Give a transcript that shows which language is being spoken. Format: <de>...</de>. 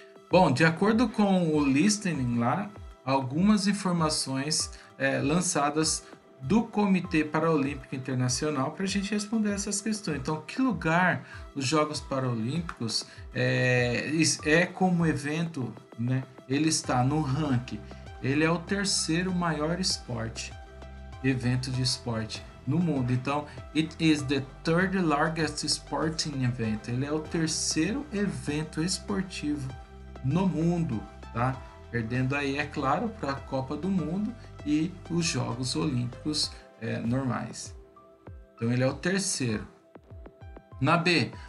<pt>Bom, de acordo com o listening lá, algumas informações lançadas do Comitê Paralímpico Internacional para a gente responder essas questões. Então, que lugar os Jogos Paralímpicos é como evento, né? Ele está no ranking. Ele é o terceiro maior evento de esporte no mundo. Então,</pt> <en>it is the third largest sporting event.</en> <pt>Ele é o terceiro evento esportivo no mundo, tá? Perdendo aí, é claro, para a Copa do Mundo e os Jogos Olímpicos normais. Então, ele é o terceiro. Na B,</pt>